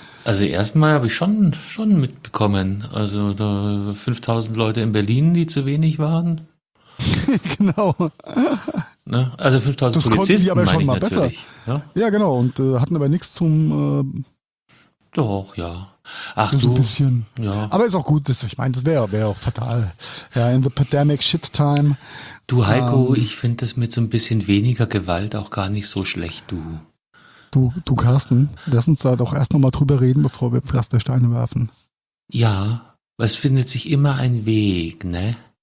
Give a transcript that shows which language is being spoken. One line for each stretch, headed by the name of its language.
German: Also erstmal habe ich schon mitbekommen, also da 5000 Leute in Berlin, die zu wenig waren. Genau. Ne? Also 5000 das Polizisten, konnten die aber schon mal natürlich besser. Ja? Ja, genau, und hatten aber nichts zum... Doch, ja. Ach so du. Ein bisschen. Ja. Aber ist auch gut, ich meine, das wäre auch fatal. Ja,
English: in the pandemic shit time.
German: Du Heiko, ich finde das mit so ein bisschen weniger Gewalt auch gar nicht so schlecht, du. Du Carsten, lass uns da doch erst nochmal drüber reden, bevor wir Pflastersteine werfen. Ja, es findet sich immer ein Weg, ne?